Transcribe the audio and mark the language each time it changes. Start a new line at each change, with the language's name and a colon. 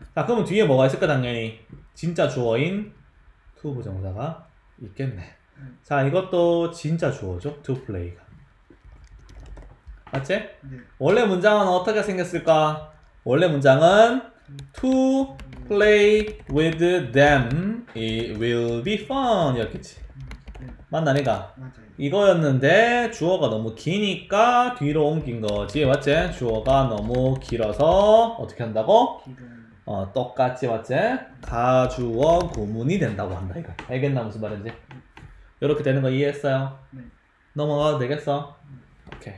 Korean: 자 그러면 뒤에 뭐가 있을까 당연히? 진짜 주어인 to 부정사가 있겠네. 네. 자 이것도 진짜 주어죠? to play가. 맞지? 네. 원래 문장은 어떻게 생겼을까? 원래 문장은
English: To play with them, it will be fun.
Korean: 이었겠지. 맞나, 니가? 이거였는데, 주어가 너무 기니까 뒤로 옮긴 거지. 맞지? 주어가 너무 길어서, 어떻게 한다고? 똑같지, 맞지? 가주어 구문이 된다고 한다, 이거. 알겠나, 무슨 말인지? 이렇게 되는 거 이해했어요? 넘어가도 되겠어? 오케이.